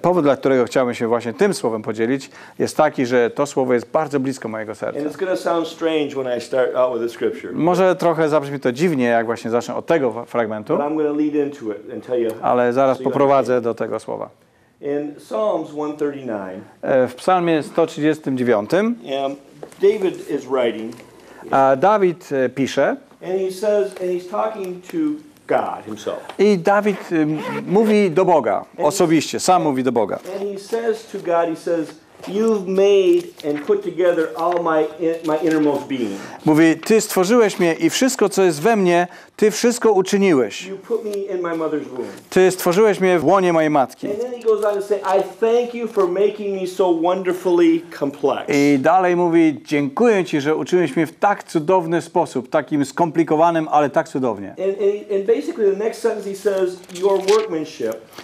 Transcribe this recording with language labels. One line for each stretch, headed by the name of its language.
Polish: Powód, dla którego chciałbym się właśnie tym słowem podzielić, jest taki, że to słowo jest bardzo blisko mojego serca.
English: And it's going to sound strange when I start out with the scripture.
Polish: Może trochę zabrzmi to dziwnie, jak właśnie zacznę od tego fragmentu.
English: But I'm going to lead into it and tell you.
Polish: Ale zaraz poprowadzę do tego słowa.
English: In Psalms 139.
Polish: W Psalmie 139.
English: David is writing.
Polish: Dawid pisze.
English: And he says, and he's talking to God himself.
Polish: I Dawid mówi do Boga osobiście. Sam mówi do Boga.
English: And he says to God, he says, "You've made and put together all my innermost being."
Polish: Mówi, ty stworzyłeś mnie i wszystko, co jest we mnie, ty wszystko uczyniłeś.
English: You put me in my mother's womb.
Polish: Ty stworzyłeś mnie w łonie mojej matki.
English: And then he goes on to say, "I thank you for making me so wonderfully complex."
Polish: I dalej mówi, dziękuję ci, że uczyniłeś mnie w tak cudowny sposób, takim skomplikowanym, ale tak cudownie.
English: And basically the next sentence he says, "Your workmanship."